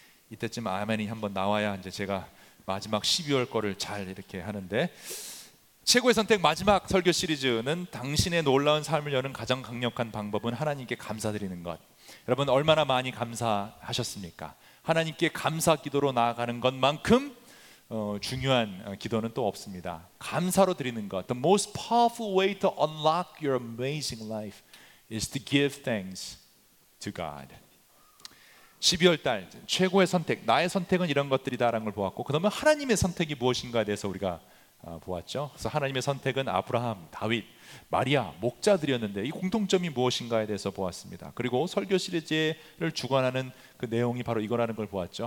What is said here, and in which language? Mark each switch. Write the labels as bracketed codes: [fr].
[ko] 이때쯤 아멘이 한번 나와야 이제 제가 마지막 12월 거를 잘 이렇게 하는데 최고의 선택 마지막 설교 시리즈는 당신의 놀라운 삶을 여는 가장 강력한 방법은 하나님께 감사드리는 것. 여러분 얼마나 많이 감사하셨습니까? 하나님께 감사 기도로 나아가는 것만큼 중요한 기도는 또 없습니다. 감사로 드리는 것. [en] The most powerful way to unlock your amazing life is to give thanks to God. [ko] 12월 달 최고의 선택, 나의 선택은 이런 것들이다라는 걸 보았고 그다음에 하나님의 선택이 무엇인가에 대해서 우리가 보았죠. 그래서 하나님의 선택은 아브라함, 다윗, 마리아, 목자들이었는데 이 공통점이 무엇인가에 대해서 보았습니다. 그리고 설교 시리즈를 주관하는 그 내용이 바로 이거라는 걸 보았죠.